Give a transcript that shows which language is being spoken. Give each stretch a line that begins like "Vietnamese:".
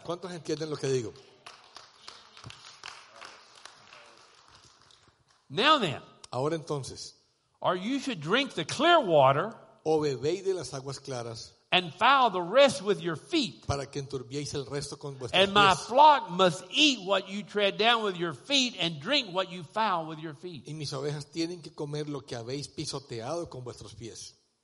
Spanish: ¿Cuántos entienden lo que digo?
English: Now then.
Spanish: Ahora entonces.
English: Or you should drink the clear water.
Spanish: O bebéis de las aguas claras.
English: And foul the rest with your feet.
Spanish: Para que enturbiéis el resto con vuestros pies.
English: And my flock must eat what you tread down with your feet and drink what you foul with your feet.
Spanish: Y mis ovejas tienen que comer lo que habéis pisoteado con vuestros pies.